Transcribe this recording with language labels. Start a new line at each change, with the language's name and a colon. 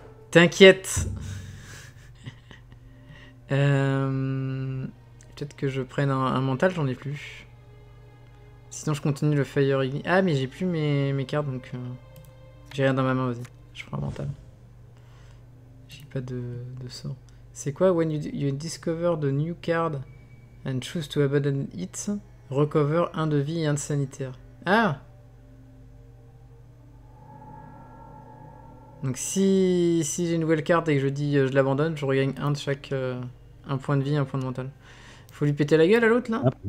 French: T'inquiète. Peut-être que je prenne un mental, j'en ai plus. Sinon je continue le fire. Ah mais j'ai plus mes cartes donc. J'ai rien dans ma main, vas-y. Je prends un mental. J'ai pas de sort. C'est quoi?
English: When you discover the new card and choose to abandon it.
French: Recover un de vie et un de sanitaire. Ah! Donc si j'ai une nouvelle carte et que je dis je l'abandonne, je regagne un de chaque. Un point de vie, un point de mental. Faut lui péter la gueule à l'autre là?